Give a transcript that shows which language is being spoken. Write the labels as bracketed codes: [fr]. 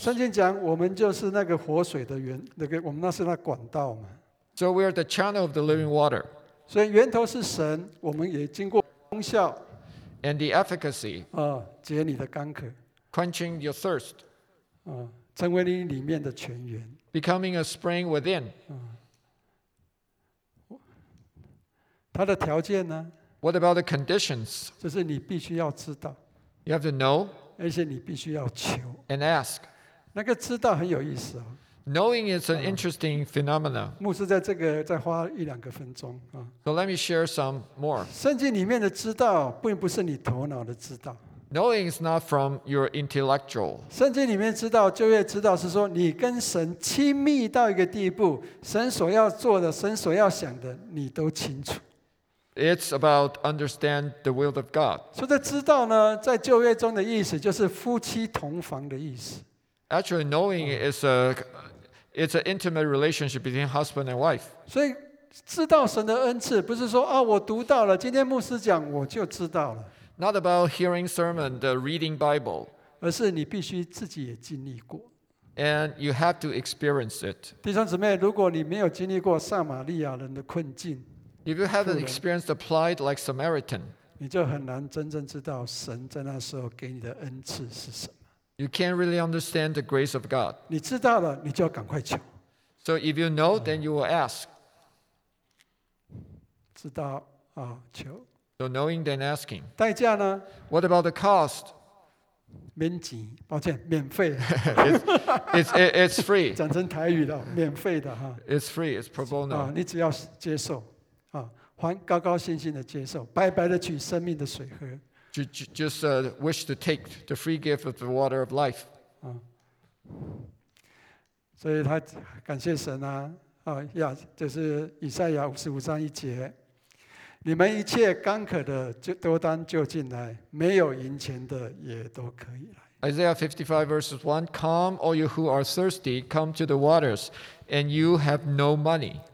[zh] 圣经讲我们就是那个活水的源，那个我们那是那管道嘛。 [en] So we are the channel of the living water. [zh] 所以源头是神，我们也经过功效。 [en] And the efficacy. [zh] 解你的干渴。 [en] Quenching your thirst. [zh] 成为你里面的泉源 [en] becoming a spring within、 [zh] 它的条件呢 [en] what about the conditions [zh] 就是你必须要知道 [en] you have to know [zh] 而且你必须要求 [en] and ask [zh] 那个知道很有意思、 [en] knowing is an interesting phenomena [zh] 牧师在这个再花一两个分钟、 [en] so let me share some more [zh] 圣经里面的知道并不是你头脑的知道 [en] Knowing is not from your intellectual. [zh] 圣经里面知道，旧约知道是说，你跟神亲密到一个地步，神所要做的，神所要想的，你都清楚。 [en] It's about understand the will of God. [zh] 所以这知道呢，在旧约中的意思就是夫妻同房的意思。 [en] Actually, knowing is a it's an intimate relationship between husband and wife. [zh] 所以知道神的恩赐，不是说啊，我读到了，今天牧师讲我就知道了。 [en] Not about hearing sermon, the reading Bible. [zh] 而是你必须自己也经历过。 [en] And you have to experience it. [zh] 弟兄姊妹，如果你没有经历过撒玛利亚人的困境， [en] If you haven't experienced the plight like Samaritan, [zh] 你就很难真正知道神在那时候给你的恩赐是什么。 [en] You can't really understand the grace of God. [zh] 你知道了，你就要赶快求。 [en] So if you know, then you will ask. [zh] 知道啊，求。 [en] So knowing then asking. [zh] 代价呢? [en] What about the cost? [zh] 免钱,抱歉,免费。 [en] It's free. [zh] 讲成台语了,免费的。 [en] It's free, it's pro bono. [zh] 你只要接受,还高高兴兴的接受,白白的取生命的水喝。 [en] Just wish to take the free gift of the water of life. [zh] 所以他感谢神啊,就是以赛亚55章一节。你们一切干渴的都当就进来，没有银钱的也都可以来。 [en] Isaiah 55 verses 1, Come, all you who are thirsty, come to the waters, and you have no money.